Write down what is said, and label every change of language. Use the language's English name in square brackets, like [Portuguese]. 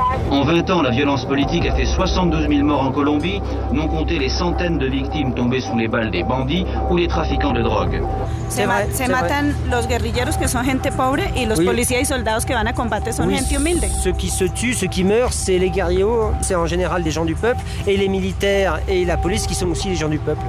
[French] En 20 ans, la violence politique a fait 72 000 morts en Colombie, non compter les centaines de victimes tombées sous les balles des bandits ou les trafiquants de drogue. [Spanish] Se matan los guerrilleros que son gente pobre y los policías y soldados que van a combattre son gente humilde. [French] Ceux qui se tuent, ceux qui meurent, c'est les guerriers, c'est en général des gens du peuple, et les militaires et la police qui sont aussi les gens du peuple.